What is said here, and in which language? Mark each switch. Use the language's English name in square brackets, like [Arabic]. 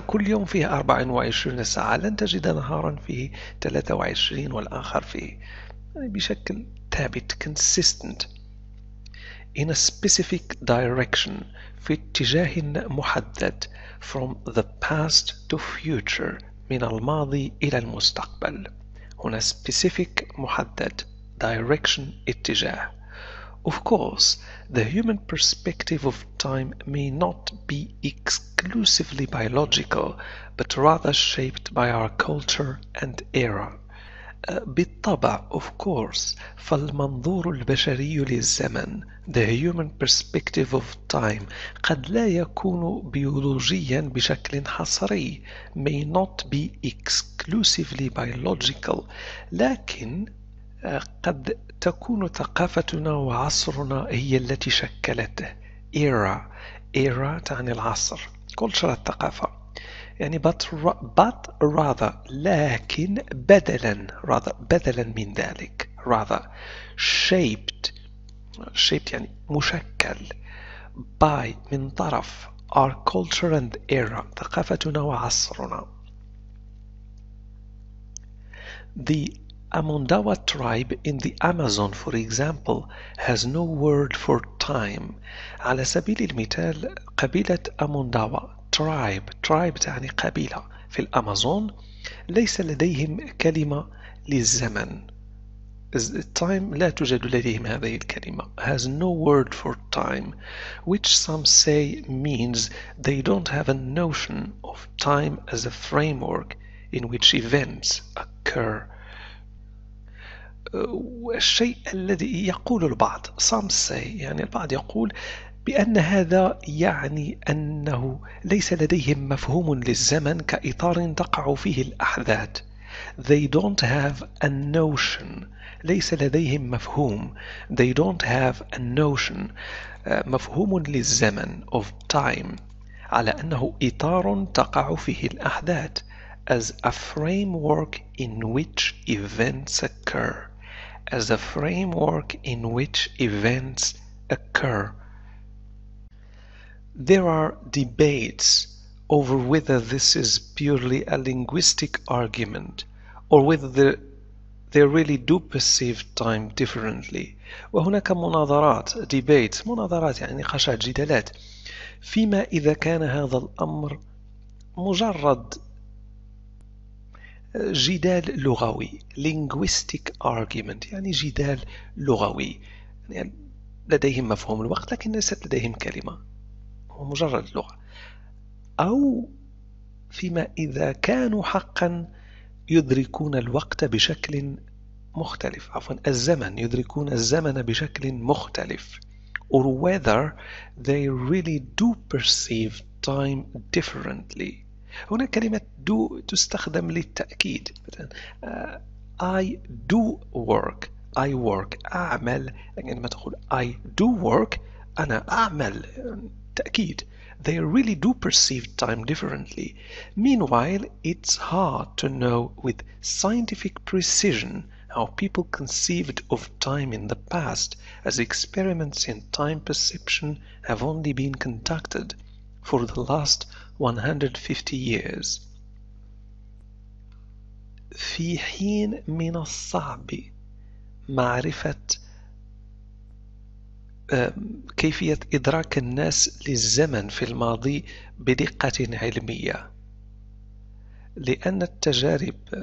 [Arabic] كل يوم فيه 24 ساعة, لن تجد نهارا فيه 23 والآخر فيه, يعني بشكل ثابت. [English] consistent in a specific direction [Arabic] في اتجاه محدد. [English] from the past to future [Arabic] من الماضي إلى المستقبل. هنا specific محدد, direction اتجاه. [English] Of course, the human perspective of time may not be exclusively biological, but rather shaped by our culture and era. [Arabic] بالطبع, of course, فالمنظور البشري للزمن, [English] the human perspective of time, [Arabic] قد لا يكون بيولوجيا بشكل حصري, [English] may not be exclusively biological, [Arabic] لكن قد تكون ثقافتنا وعصرنا هي التي شكلته. era تعني العصر. culture الثقافة, يعني [English] but rather [Arabic] لكن بدلاً rather بدلاً من ذلك rather shaped يعني مشكل by من طرف [English] our culture and era [Arabic] ثقافتنا وعصرنا. [English] the Amundawa tribe in the Amazon, for example, has no word for time. [Arabic] على سبيل المثال, قبيلة Amundawa tribe تعني قبيلة في الأمازون ليس لديهم كلمة للزمن. Time, لا توجد لديهم هذه الكلمة. [English] Has no word for time, which some say means they don't have a notion of time as a framework in which events occur. [Arabic] الشيء الذي يقول البعض, [English] some say, [Arabic] يعني البعض يقول بأن هذا يعني أنه ليس لديهم مفهوم للزمن كإطار تقع فيه الأحداث. [English] They don't have a notion, [Arabic] ليس لديهم مفهوم. [English] They don't have a notion, [Arabic] مفهوم للزمن, of time, على أنه إطار تقع فيه الأحداث. [English] As a framework in which events occur, as a framework in which events occur. There are debates over whether this is purely a linguistic argument or whether they really do perceive time differently. [Arabic] وهناك مناظرات, debates, مناظرات يعني نقاشات, جدالات, فيما إذا كان هذا الأمر مجرد جدال لغوي, [English] linguistic argument, [Arabic] يعني جدال لغوي, يعني لديهم مفهوم الوقت لكن ليست لديهم كلمة, هو مجرد لغة, أو فيما إذا كانوا حقا يدركون الوقت بشكل مختلف, عفوا الزمن, يدركون الزمن بشكل مختلف, [English] or whether they really do perceive time differently. [Arabic] هنا كلمة do تستخدم للتأكيد, مثلا [English] I do work, I work, [Arabic] أعمل, عندما تقول [English] I do work, [Arabic] أنا أعمل, تأكيد. [English] They really do perceive time differently. Meanwhile, it's hard to know with scientific precision how people conceived of time in the past, as experiments in time perception have only been conducted for the last 150 years. [Arabic] في حين من الصعب معرفة كيفية إدراك الناس للزمن في الماضي بدقة علمية, لأن التجارب